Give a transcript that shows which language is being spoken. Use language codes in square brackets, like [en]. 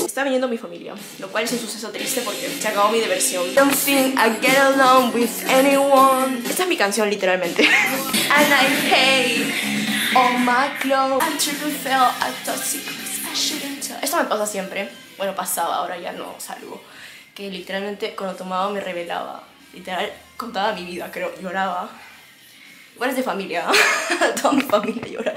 [es] Está viniendo mi familia, lo cual es un suceso triste porque se acabó mi diversión. [en] Don't think I get along with anyone. [es] Esta es mi canción, literalmente. [en] And I hate all my clothes. I'm tripping, fell, I thought secrets I shouldn't tell. [es] Esto me pasa siempre. Bueno, pasaba, ahora ya no salgo. Que literalmente cuando tomaba me revelaba. Literal, contaba mi vida, creo. Lloraba. Igual es de familia. Toda mi familia llora.